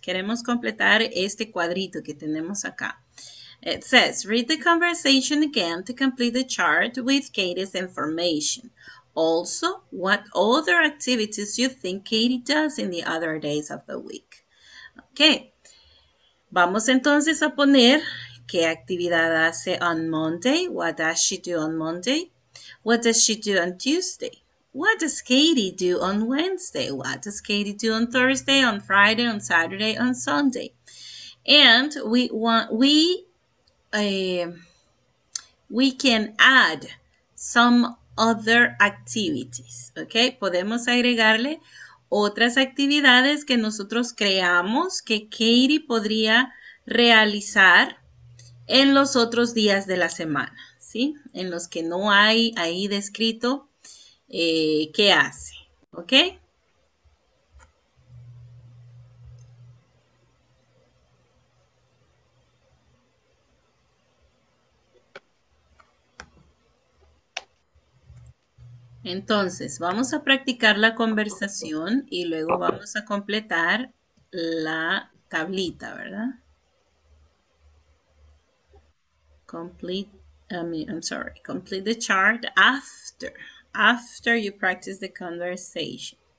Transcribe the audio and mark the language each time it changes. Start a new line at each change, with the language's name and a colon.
Spanish: Queremos completar este cuadrito que tenemos acá.
English: It says, read the conversation again to complete the chart with Katie's information. Also, what other activities do you think Katie does in the other days of the week? Okay.
Spanish: Vamos entonces a poner, ¿qué actividad hace
English: on Monday? What does she do on Monday? What does she do on Tuesday? What does Katie do on Wednesday? What does Katie do on Thursday, on Friday, on Saturday, on Sunday? And we can add some other activities, okay?
Spanish: Podemos agregarle otras actividades que nosotros creamos que Katie podría realizar en los otros días de la semana, ¿sí? En los que no hay ahí descrito qué hace, okay? Entonces, vamos a practicar la conversación y luego vamos a completar la tablita, ¿verdad?
English: Complete the chart after you practice the conversation.